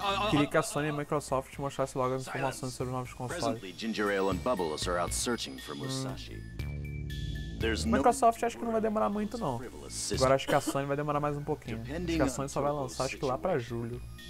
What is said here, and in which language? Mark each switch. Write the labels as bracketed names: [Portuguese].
[Portuguese] Queria que a Sony e a Microsoft mostrasse logo as informações sobre os novos consoles. [English] Presently, Ginger Ale and Bubbles are out searching for Musashi. [Portuguese] Microsoft acho que não vai demorar muito, não. Agora acho que a Sony vai demorar mais um pouquinho. Acho que a Sony só vai lançar, acho que lá pra julho.